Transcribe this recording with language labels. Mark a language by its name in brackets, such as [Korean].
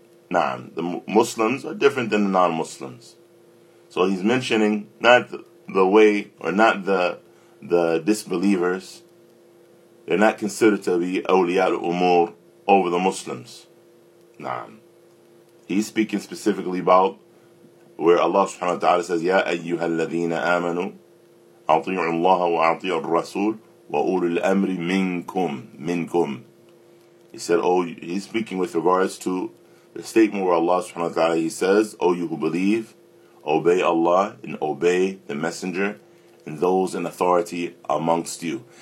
[English] Naam, the Muslims are different than the non-Muslims. So he's mentioning not the way, or not the disbelievers, they're not considered to be awliya al-umur over the Muslims. [Arabic] Naam. [English] He's speaking specifically about where Allah subhanahu wa ta'ala says, [Arabic] يَا أَيُّهَا الَّذِينَ آمَنُوا أَطِيعُوا اللَّهَ وَأَطِيعُوا الرَّسُولُ وَأُولُوا الْأَمْرِ مِنْكُمْ مِنْكُمْ. [English] He said, he's speaking with regards to the statement where Allah subhanahu wa ta'ala, he says, O you who believe, obey Allah and obey the messenger and those in authority amongst you.